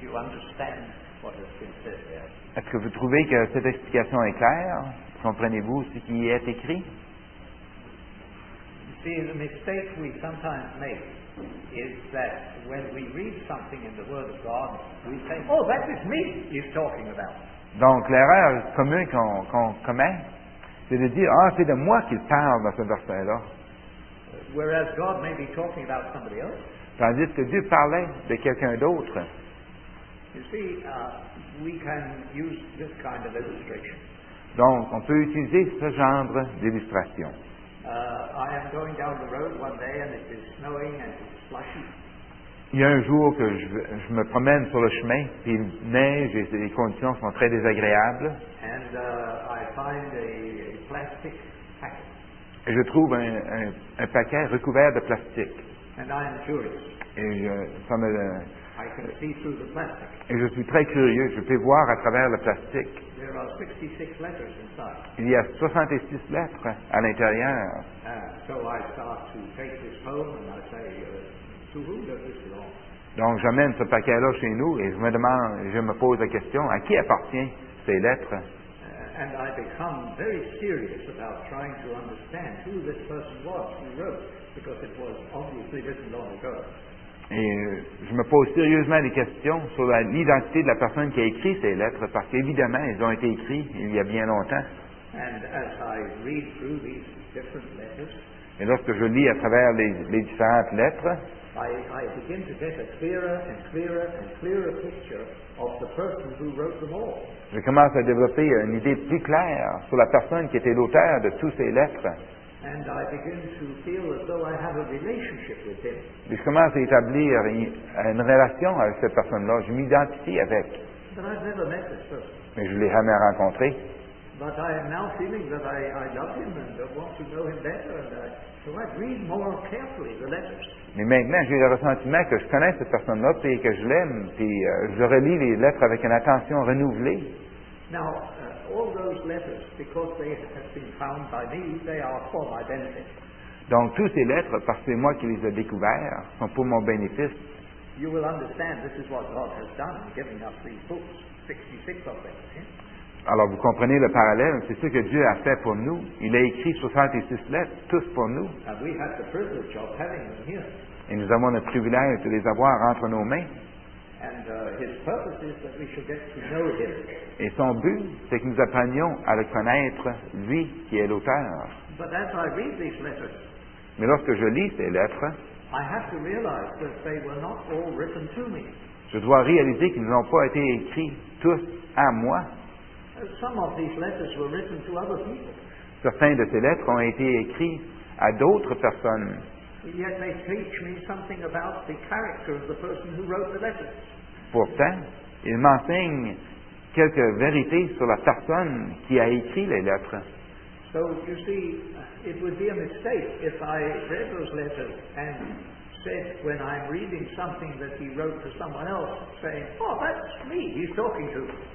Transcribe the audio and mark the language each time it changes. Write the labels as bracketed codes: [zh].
[en] Do you understand what has been said there? [fr] Est-ce que vous trouvez que cette explication est claire? Comprenez-vous ce qui y est écrit? [en] See, the mistake we sometimes make is that when we read something in the Word of God, we say, "Oh, that is me he's talking about." [fr] Donc, l'erreur commune qu'on commet, c'est de dire, ah, c'est de moi qu'il parle dans ce verset-là. [en] Whereas God may be talking about somebody else. [fr] Tandis que Dieu parlait de quelqu'un d'autre. [en] You see, we can use this kind of illustration. [fr] Donc, on peut utiliser ce genre d'illustration. [en] I am going down the road one day and it is snowing and it's slushy. [fr] Il y a un jour que je me promène sur le chemin, puis il neige et les conditions sont très désagréables. [en] And, I find a plastic packet. [fr] Et je trouve un paquet recouvert de plastique. [en] And I am curious. [fr] Et je suis très curieux, je peux voir à travers le plastique. [en] There are 66 letters inside. [fr] Il y a 66 lettres à l'intérieur. [en] So I start to take this home and I say, to whom does this belong? [fr] Donc j'amène ce paquet-là chez nous et je me pose la question, à qui appartient ces lettres? [en] And I become very serious about trying to understand who this person was who wrote, because it was obviously written long ago. [fr] Et je me pose sérieusement des questions sur l'identité de la personne qui a écrit ces lettres, parce qu'évidemment, elles ont été écrites il y a bien longtemps. [en] And as I read through these different letters, [fr] et lorsque je lis à travers les différentes lettres, [en] I begin to get a clearer and clearer and clearer picture of the person who wrote them all. [fr] Je commence à développer une idée plus claire sur la personne qui était l'auteur de toutes ces lettres. [en] And I begin to feel as though I have a relationship with him. [fr] Je commence à établir une relation avec cette personne-là. Je m'identifie avec. [en] But I've never met this person. [fr] Mais je ne l'ai jamais rencontré. [en] But I am now feeling that I love him and want to know him better. So I read more carefully the letters. [fr] Mais maintenant, j'ai le ressentiment que je connais cette personne-là et que je l'aime. Puis je relis les lettres avec une attention renouvelée. [en] Now, all those letters, because they have been found by me, they are for my benefit. [fr] Donc, toutes ces lettres, parce que c'est moi qui les ai découvertes, sont pour mon bénéfice. [en] You will understand this is what God has done, giving us these books, 66 of them. [fr] Alors, vous comprenez le parallèle. C'est ce que Dieu a fait pour nous. Il a écrit 66 lettres, tous pour nous. [en] And we have the privilege of having them here. [fr] Et nous avons le privilège de les avoir entre nos mains. [en] And his purpose is that we should get to know him. [fr] Et son but, c'est que nous apprenions à le connaître, lui qui est l'auteur. [en] But as I read these letters, [fr] mais lorsque je lis ces lettres, [en] I have to realize that they were not all written to me. [fr] Je dois réaliser qu'ils n'ont pas été écrits tous à moi. [en] Some of these letters were written to other people. [fr] Certaines de ces lettres ont été écrites à d'autres personnes. [en] Yet they teach me something about the character of the person who wrote the letters. [fr] Pourtant, ils m'enseignent quelques vérités sur la personne qui a écrit les lettres. [en] So you see, it would be a mistake if I read those letters and said when I'm reading something that he wrote to someone else, saying, "Oh, that's me he's talking to."